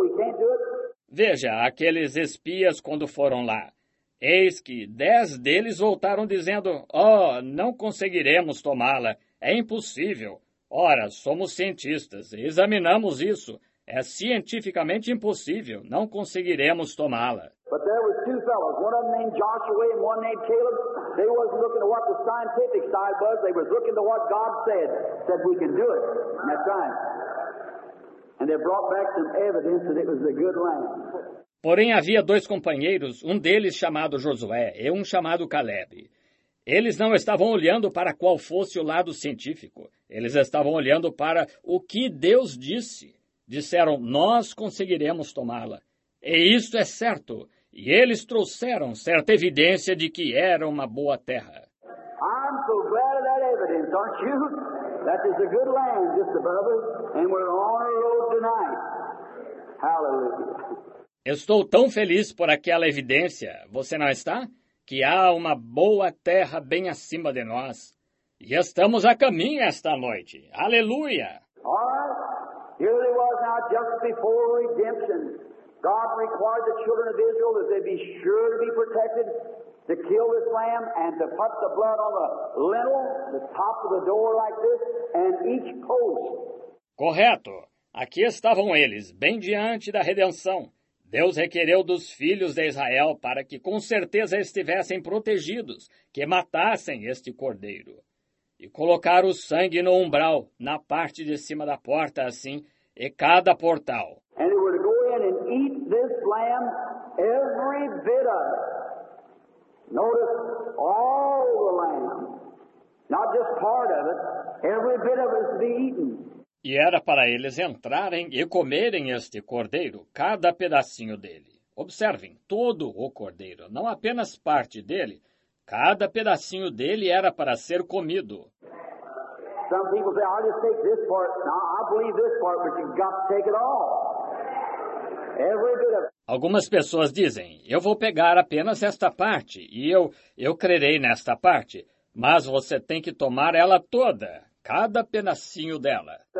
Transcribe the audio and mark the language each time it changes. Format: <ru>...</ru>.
<en>We can't do it.</en> <pt>Veja, aqueles espias quando foram lá. Eis que 10 deles voltaram dizendo, oh, não conseguiremos tomá-la. É impossível. Ora, somos cientistas. Examinamos isso. É cientificamente impossível. Não conseguiremos tomá-la.</pt> <en>But there were two fellows, one of them named Joshua and one named Caleb. They wasn't looking at what the scientific side was. They was looking to what God said. Said we can do it. And that's right. And they brought back some evidence that it was a good land.</en> <pt>Porém, havia dois companheiros, um deles chamado Josué e um chamado Caleb. Eles não estavam olhando para qual fosse o lado científico. Eles estavam olhando para o que Deus disse. Disseram, nós conseguiremos tomá-la. E isto é certo. E eles trouxeram certa evidência de que era uma boa terra.</pt> <en>I'm so glad of that evidence, aren't you? That is a good land just above us, and we're on a road tonight. Hallelujah.</en> <pt>Estou tão feliz por aquela evidência, você não está? Que há uma boa terra bem acima de nós. E estamos a caminho esta noite. Aleluia!</pt> <en>Alright, here they was now just before redemption. God required the children of Israel that they be sure to be protected, to kill this lamb and to put the blood on the lintel, the top of the door like this, and each post.</en> <pt>Correto. Aqui estavam eles, bem diante da redenção. Deus requereu dos filhos de Israel para que com certeza estivessem protegidos, que matassem este cordeiro. E colocaram o sangue no umbral, na parte de cima da porta, assim, e cada portal.</pt> <en>And they were to go in and eat this lamb every bit of it. Notice all the lamb, not just part of it, every bit of it to be eaten.</en> <pt>E era para eles entrarem e comerem este cordeiro, cada pedacinho dele. Observem, todo o cordeiro, não apenas parte dele. Cada pedacinho dele era para ser comido.</pt> <en>Some people say, I'll just take this part. No, I believe this part, but you've got to take it all. Every bit of it.</en> <pt>Algumas pessoas dizem, eu vou pegar apenas esta parte e eu crerei nesta parte. Mas você tem que tomar ela toda. Cada pedacinho dela.</pt>